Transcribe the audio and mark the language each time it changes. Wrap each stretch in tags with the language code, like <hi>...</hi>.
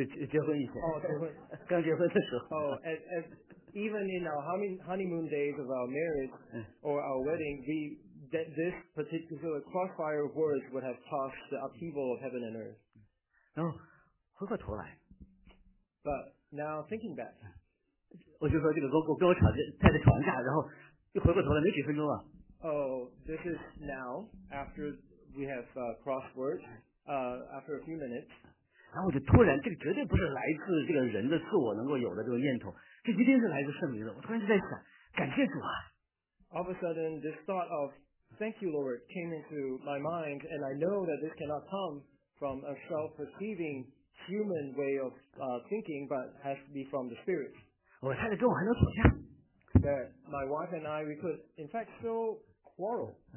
<zh>结婚以前，刚结婚的时候。</zh> <en>Even in our honeymoon days of our marriage or our wedding, this particular crossfire of words would have tossed the upheaval of heaven and earth.</en> <zh>然后回过头来</zh> <en>，But now thinking back,</en> <zh>我就说这个跟我吵架，太太吵完架，然后就回过头来没几分钟啊。</zh> <en>Oh, this is now after we have crossed words. After a few minutes,</en> <zh>然后我就突然，这个绝对不是来自这个人的自我能够有的这种念头。这一定是来自圣灵的。我突然就在想，感谢主啊</zh> <en>！All of a sudden, this thought of "Thank you, Lord" came into my mind, and I know that this cannot come from a self-perceiving human way of thinking, but has to be from the Spirit.</en> <zh>我太太跟我还能吵架</zh> <en>？That my wife and I, we could in fact still quarrel.</en>